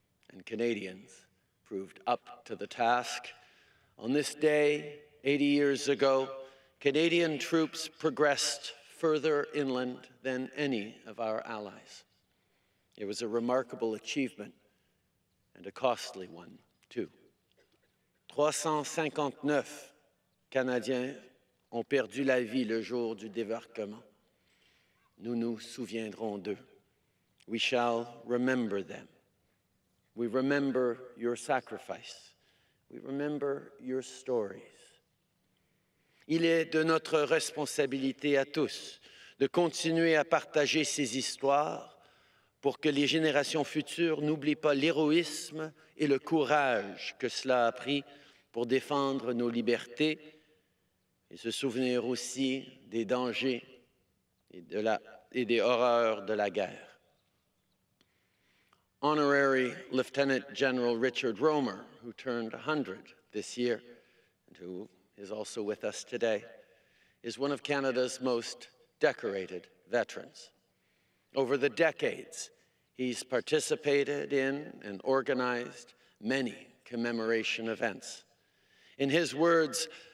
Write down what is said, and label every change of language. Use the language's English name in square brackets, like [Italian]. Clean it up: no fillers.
[English] And Canadians proved up to the task. On this day, 80 years ago, Canadian troops progressed further inland than any of our allies. It was a remarkable achievement and a costly one, too. [French] 359 Canadiens ont perdu la vie le jour du débarquement. Nous nous souviendrons d'eux. [English] We shall remember them. We remember your sacrifice. We remember your stories. [French] Il est de notre responsabilité à tous de continuer à partager ces histoires pour que les générations futures n'oublient pas l'héroïsme et le courage que cela a pris pour défendre nos libertés et se souvenir aussi des dangers et, des horreurs de la guerre. [English] Honorary Lieutenant General Richard Romer, who turned 100 this year, and who is also with us today, is one of Canada's most decorated veterans. Over the decades, he's participated in and organized many commemoration events. In his words,